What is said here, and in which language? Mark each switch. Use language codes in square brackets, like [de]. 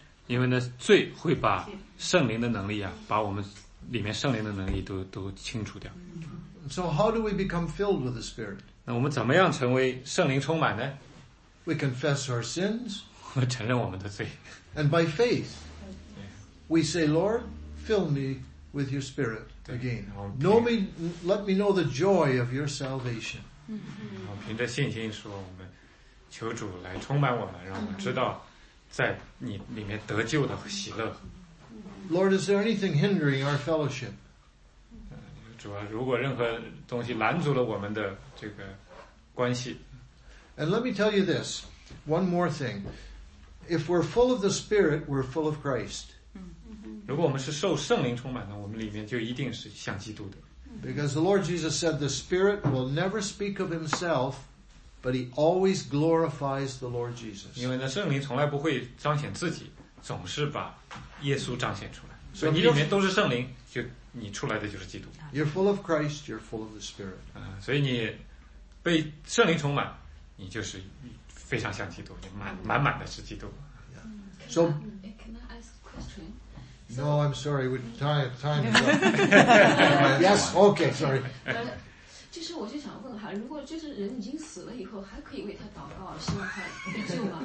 [zh] 因为呢，罪会把圣灵的能力啊，把我们里面圣灵的能力都清除掉。 [en] So how do we become filled with the Spirit? [zh] 那我们怎么样成为圣灵充满呢？ [en] We confess our sins. [zh] 我们承认我们的罪。 [en] And by faith, we say, Lord, fill me with your Spirit again. Know me, let me know the joy of your salvation. [zh] 我们凭着信心说，我们求主来充满我们，让我们知道在你里面得救的喜乐。 [en] Lord, is there anything hindering our fellowship? [zh] 主啊，如果任何东西拦阻了我们的这个关系。 [en] And let me tell you this, one more thing. If we're full of the Spirit, we're full of Christ. [zh] 如果我们是受圣灵充满的，我们里面就一定是像基督的。 [en] Because the Lord Jesus said, the Spirit will never speak of himself, but he always glorifies the Lord Jesus. [zh] 因为呢，圣灵从来不会彰显自己，总是把耶稣彰显出来，所以你里面都是圣灵，就你出来的就是基督。 [en] You're full of Christ, you're full of the Spirit. [zh] 所以你被圣灵充满，你就是非常像基督，你满满的是基督。 [en] So, can I ask a question? No, I'm sorry, we're tired. Time. Yes. Okay. Sorry. [zh] 就是我就想问哈，如果就是人已经死了以后，还可以为他祷告，希望他得救吗？